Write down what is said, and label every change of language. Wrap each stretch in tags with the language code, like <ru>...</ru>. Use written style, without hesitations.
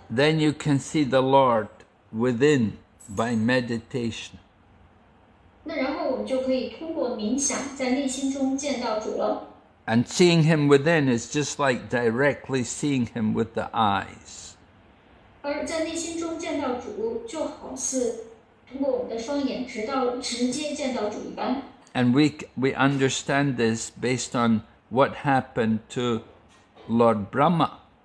<en>then you can see the Lord within by meditation.</en> <zh>那然后我们就可以通过冥想在内心中见到主了。</zh> <en>And seeing Him within is just like directly seeing Him with the eyes.</en> <zh>而在内心中见到主就好似通过我们的双眼直到直接见到主一般。</zh> <en>And we understand this based on what happened to Lord Brahma.</en>